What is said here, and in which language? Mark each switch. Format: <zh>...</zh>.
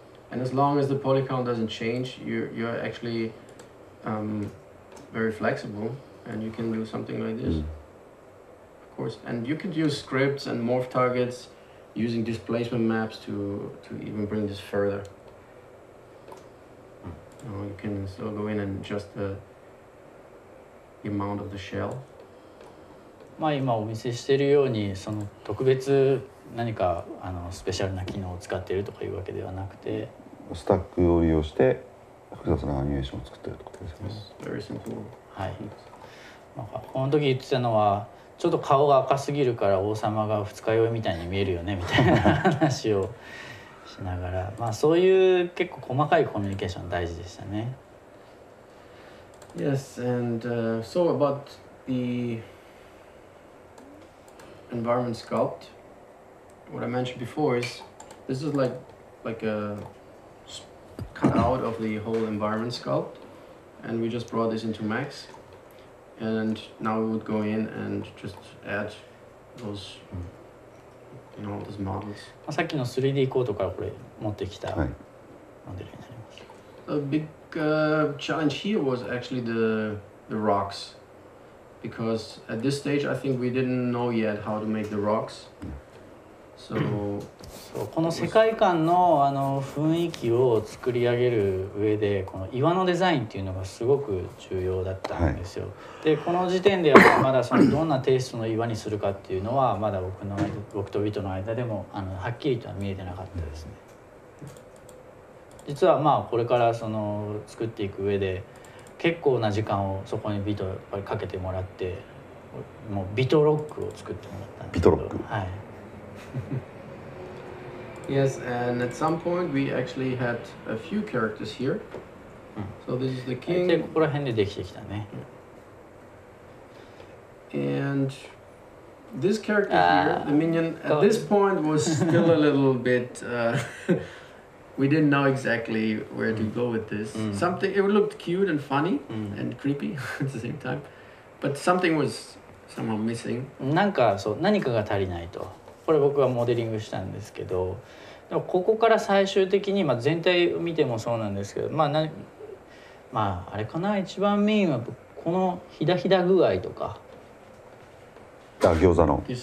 <en>And as long as the poly count doesn't change, you're actually very flexible and you can do something like this, of course. And you could use scripts and morph targets using displacement maps to even bring this further. You can still go in and adjust the amount of the shell?</en> <ja>まあ今お見せしているようにその特別何かあのスペシャルな機能を使っているとかいうわけではなくて、スタックを利用して複雑なアニメーションを作っているということですね。</ja> <en>Very simple.</en> <ja>はい。まあ、この時言ってたのはちょっと顔が赤すぎるから王様が二日酔いみたいに見えるよねみたいな話をしながら、まあそういう結構細かいコミュニケーション大事でしたね。</ja> <en>Yes, and so about the environment sculpt. What I mentioned before is this is like a cutout of the whole environment sculpt, and we just brought this into Max. And now we would go in and just add those, you know, those models.</en> <ja>さっきの 3D コートからこれ持ってきたモデルになります。</ja> <en>A big challenge here was actually the rocks, because at this stage I think we didn't know yet how to make the rocks. So,</en> <ja>so この世界観のあの雰囲気を作り上げる上でこの岩のデザインっていうのがすごく重要だったんですよ。はい、でこの時点ではまだそのどんなテイストの岩にするかっていうのはまだ僕と人の間でもあのはっきりとは見えてなかったですね。実はまあこれからその作っていく上で結構な時間をそこに人やっぱりかけてもらってもうビトロックを作ってもらったんですけど。ビトロック。はい。</ja> <en>Yes, and at some point we actually had a few characters here. So this is the king.</en> <ja>で、ここら辺でできてきたね。</ja> <en>And this character here, the minion, at this point was still a little bit. we didn't know exactly where to go with this. Something it looked cute and funny and creepy at the same time, but something was somehow missing.</en> <ja>なんかそう何かが足りないと。これ僕はモデリングしたんですけど、でもここから最終的に、まあ、全体を見てもそうなんですけど、まあ、まああれかな、一番メインはこのひだひだ具合とか、あ、餃子の、</ja>